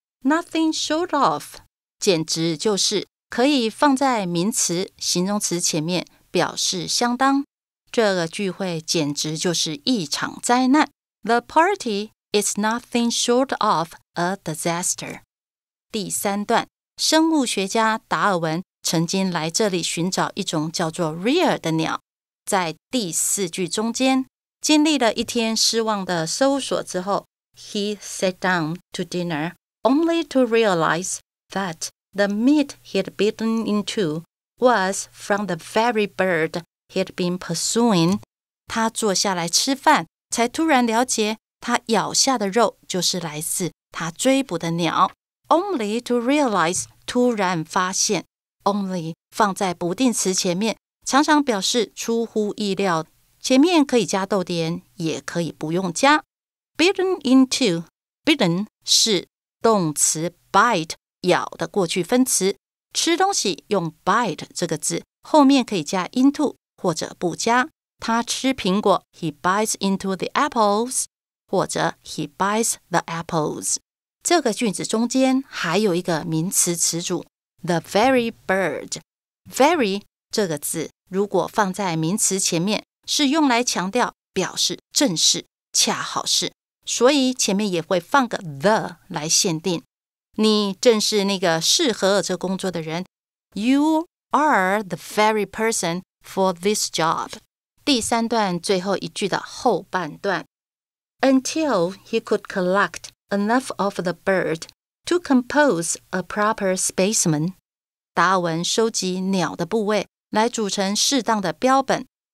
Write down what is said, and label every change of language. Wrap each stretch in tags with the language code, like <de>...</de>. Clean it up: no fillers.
<en>Nothing short of</en> <zh>简直就是可以放在名词、形容词前面表示相当。这个聚会简直就是一场灾难。</zh> <en>The party is nothing short of a disaster.</en> <zh>第三段，生物学家达尔文曾经来这里寻找一种叫做 rare 的鸟。在第四句中间，经历了一天失望的搜索之后，</zh> <en>He sat down to dinner only to realize that the meat he had bitten into was from the very bird he had been pursuing.</en> <zh>他坐下来吃饭，才突然了解他咬下的肉就是来自他追捕的鸟。</zh> <en>Only to realize,</en> <zh>突然发现。Only 放在不定词前面，常常表示出乎意料。前面可以加逗点，也可以不用加。</zh> <en>Bitten into,</en> <zh>bitten 是动词 bite 咬的过去分词。吃东西用 bite 这个字，后面可以加 into 或者不加。他吃苹果</zh> <en>，he bites into the apples，</en> <zh>或者</zh> <en>he bites the apples。</en> <zh>这个句子中间还有一个名词词组</zh> <en>the very bird。</en> <zh>very 这个字如果放在名词前面，是用来强调表示正是、恰好是，所以前面也会放个 the 来限定。你正是那个适合这工作的人。</zh> <en>You are the very person for this job。</en> <zh>第三段最后一句的后半段</zh> <en>，Until he could collect enough of the bird to compose a proper specimen，</en> <zh>达尔文收集鸟的部位来组成适当的标本。</zh>